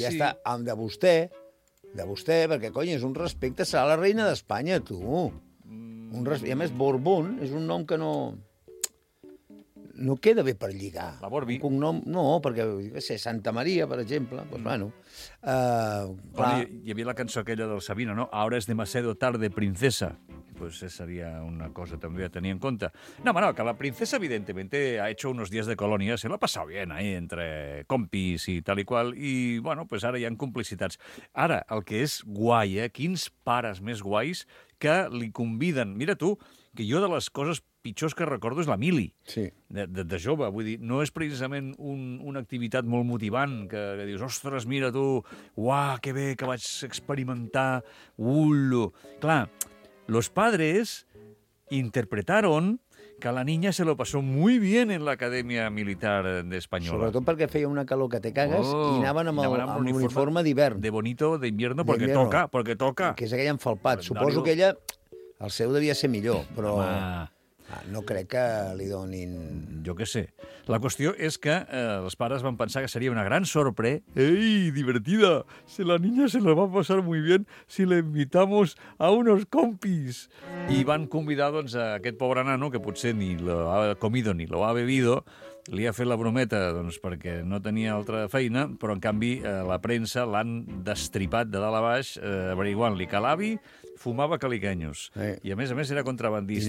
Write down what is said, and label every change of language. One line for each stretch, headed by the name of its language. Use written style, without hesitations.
Catalan: I ja està, amb de vostè, perquè, cony, és un respecte, serà la reina d'Espanya, tu. Un respecte, i a més, Borbón és un nom que no... No queda bé per lligar. La Borbi. Cognom, no, perquè, què sé, Santa Maria, per exemple. Doncs, bueno, clar... Bueno, hi havia la cançó aquella del Sabino, no?
Spanish: Ahora es demasiado tarde, princesa.
Catalan: Pues seria una cosa també a tenir en compte. No, home, no,
Spanish: que la princesa, evidentemente, ha hecho unos días de colònia, se lo ha pasado bien ahí, entre compis
Catalan: i tal i qual, i, bueno, pues ara hi ha complicitats. Ara, el que és guai, eh? Quins pares més guais que li conviden... Mira tu, que jo de les coses... pitjors que recordo és la mili, sí. De jove. Vull dir, no és precisament una activitat molt motivant, que dius, ostres, mira tu, uah, que bé que vaig experimentar, ullo.
Spanish: Clar, los padres interpretaron que la niña se lo pasó muy bien en l'Acadèmia Militar d'Espanyola.
Catalan: Sobretot perquè feia una calor que te cagues i anaven amb l'uniforme d'hivern.
Spanish: De bonito, d'invierno,
Catalan: perquè toca, perquè toca. Que és aquell enfalpat. Suposo que ella, el seu devia ser millor, però... No crec que li donin... Jo què sé. La qüestió és que els pares van pensar que seria una gran sorpresa. Ei, divertida!
Spanish: Si la niña se la va passar muy bien si la invitamos a unos compis.
Catalan: I van convidar doncs, a aquest pobre nano, que potser
Spanish: ni lo ha comido ni lo ha bebido,
Catalan: li ha fet la brometa doncs, perquè no tenia altra feina, però en canvi la premsa l'han destripat de dalt a baix averiguant-li que l'avi... fumava caliquenyos. Sí. I, a més, era contrabandista.